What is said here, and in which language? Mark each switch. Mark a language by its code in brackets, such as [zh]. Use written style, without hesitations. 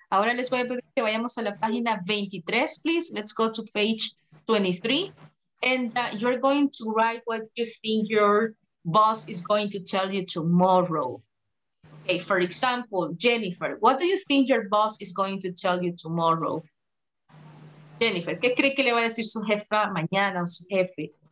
[es] Ahora les voy a pedir que vayamos a la página 23, please. [en] Let's go to page 23. And you're going to write what you think your boss is going to tell you tomorrow. Okay, for example, Jennifer, what do you think your boss is going to tell you tomorrow? [es] Jennifer, ¿qué cree que le va a decir su jefa mañana o su jefe?